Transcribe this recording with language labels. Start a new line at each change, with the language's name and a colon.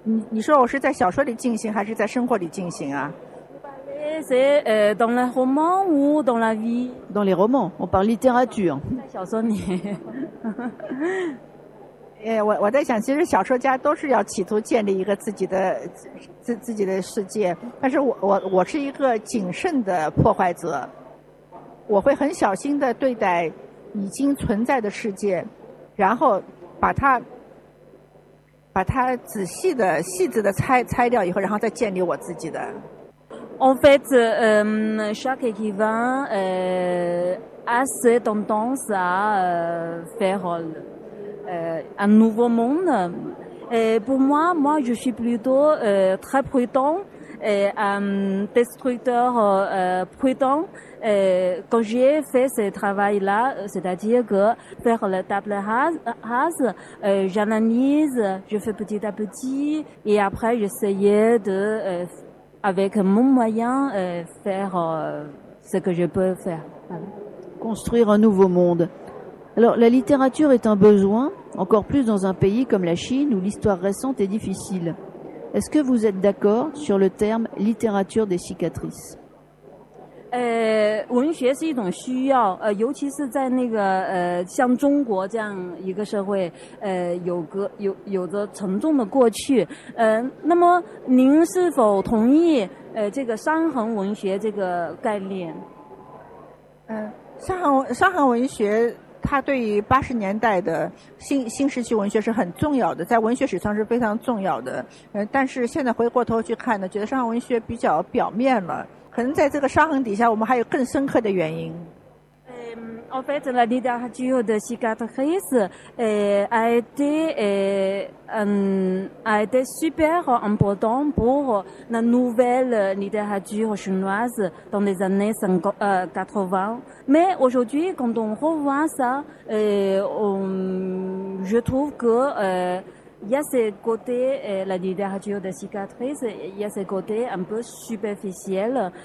Chinese: 你说我是在小说里进行，还是在生活里进行啊？
French: C'est dans les romans ou dans la vie? Dans les romans, on parle littérature.
Chinese: 小说里。我在想，其实小说家都是要企图建立一个自己的世界，但是我是一个谨慎的破坏者，我会很小心的对待已经存在的世界，然后把它仔细的、细致的拆掉以后，然后再建立我自己的。
French: En fait, chaque écrivain a cette tendance à faire un nouveau monde. Et pour moi, je suis plutôt très prudent et un destructeur prudent. Et quand j'ai fait ce travail-là, c'est-à-dire que faire la table rase, j'analyse, je fais petit à petit et après j'essayais de avec mon moyen, faire ce que je peux faire. Voilà. Construire un nouveau monde. Alors, la littérature est un besoin, encore plus dans un pays comme la Chine, où l'histoire récente est difficile. Est-ce que vous êtes d'accord sur le terme « littérature des cicatrices » ?
Chinese: 文学是一种需要，尤其是在那个像中国这样一个社会，有着沉重的过去。那么您是否同意这个伤痕文学这个概念？伤痕文学他对于八十年代的新时期文学是很重要的，在文学史上是非常重要的。但是现在回过头去看呢，觉得伤痕文学比较表面了，可能在这个伤痕底下我们还有更深刻的原因。
French: En fait, la littérature de cicatrices a été super importante pour la nouvelle littérature chinoise dans les années 80. Mais aujourd'hui, quand on revoit ça, je trouve que il y a ce côté, la littérature de cicatrices, il y a ce côté un peu superficiel.